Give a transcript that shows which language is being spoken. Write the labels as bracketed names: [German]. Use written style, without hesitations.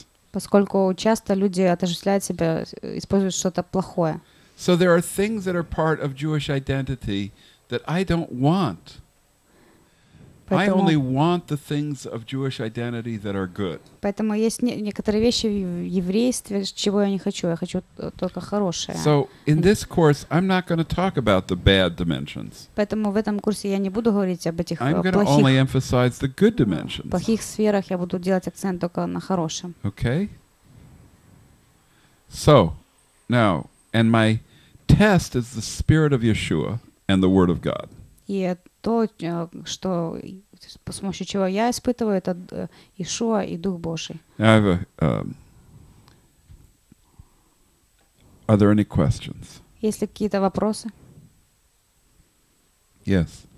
[Russian] Поскольку часто люди отождествляют себя, используют что-то плохое. [English] So there are things that are part of Jewish identity that I don't want. I only want the things of Jewish identity that are good. [Russian] Поэтому есть некоторые вещи в еврействе, чего я не хочу. Я хочу только хорошее. [English] So in this course, I'm not going to talk about the bad dimensions. [Russian] Поэтому в этом курсе я не буду говорить об этих плохих. [English] I'm going to only emphasize the good dimensions. [Russian] В плохих сферах я буду делать акцент только на хорошем. [English] Okay. So now, and my test is the Spirit of Yeshua and the Word of God. [Russian] То, что с помощью чего я испытываю, это Иешуа и Дух Божий. [English] Are there any questions? [Russian] Есть ли какие-то вопросы? [English] Yes.